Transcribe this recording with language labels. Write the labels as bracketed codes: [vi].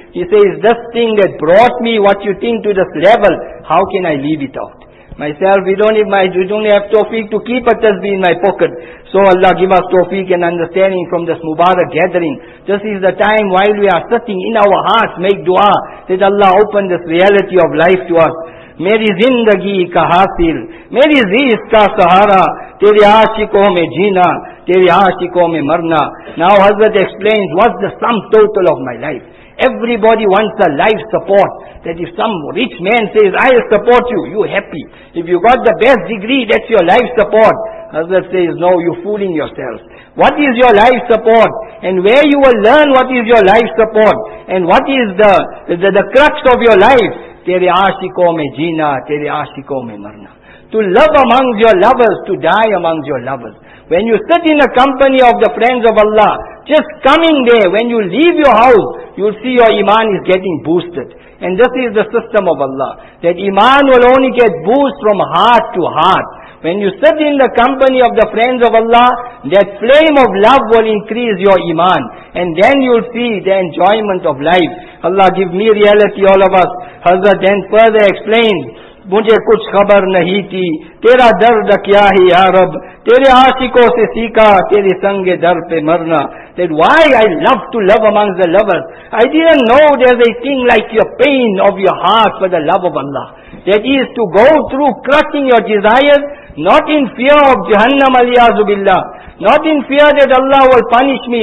[en] He says, this thing that brought me what you think to this level, how can I leave it out? Myself, we don't have tawfiq to keep a tasbih in my pocket. So Allah give us tawfiq and understanding from this Mubarak gathering. This is the time while we are sitting in our hearts, make dua, that Allah open this reality of life to us. [ur] میری زندگی کا حاصل، میری زیست کا سہارا تیرے عاشقوں میں جینا، تیرے عاشقوں میں مرنا. [en] Now حضرت explains what's the sum total of my life. Everybody wants a life support. That if some rich man says, I'll support you, you happy. If you got the best degree, that's your life support. Hazrat says, no, you're fooling yourself. What is your life support? And where you will learn what is your life support? And what is the crux of your life? [ur] Tere aashiqon mein jeena, tere aashiqon mein marna. [en] To love among your lovers, to die among your lovers. When you sit in the company of the friends of Allah, just coming there, when you leave your house, you'll see your iman is getting boosted. And this is the system of Allah. That iman will only get boost from heart to heart. When you sit in the company of the friends of Allah, that flame of love will increase your iman. And then you'll see the enjoyment of life. Allah give me reality, all of us. Hazrat then further explained, [ur] مجھے کچھ خبر نہیں تھی تیرا درد کیا ہے یا رب تیرے عاشقوں سے سیکھا تیرے سنگ در پہ مرنا. [en] That why I love to love among the lovers. I didn't know there's a thing like your pain of your heart for the love of Allah. That is to go through crushing your desires, not in fear of Jahannam aliyazubillah, not in fear that Allah will punish me.